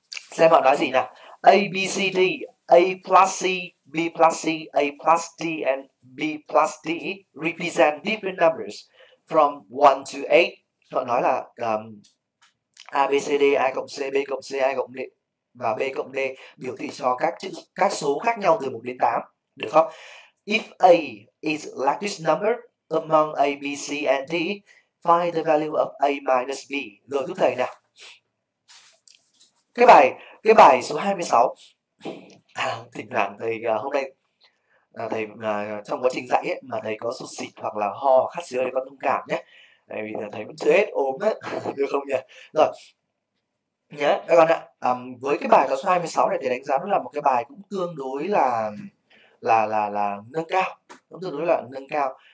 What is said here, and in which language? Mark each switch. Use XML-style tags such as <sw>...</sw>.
<vi>Xem họ nói gì nào.</vi> <en>A, B, C, D, A plus C, B plus C, A plus D and B plus D represent different numbers from 1 to 8.</en> <vi>Họ nói là A, B, C, D, A cộng C, B cộng C, A cộng D và B cộng D biểu thị cho các số khác nhau từ 1 đến 8. Được không?</vi> <en>If A is largest number among A, B, C and D, find the value of A minus B.</en> <vi>Rồi giúp thầy nào. Cái bài số 26, thỉnh thoảng thầy hôm nay thầy trong quá trình dạy ấy, mà thầy có sụt xịt hoặc là ho khát xì hơi thì con thông cảm nhé, tại vì thầy vẫn chưa hết ốm ấy được không nhỉ. Rồi nhé các con ạ, với cái bài số 26 này thì đánh giá nó là một cái bài cũng tương đối là nâng cao, cũng tương đối là nâng cao.</vi>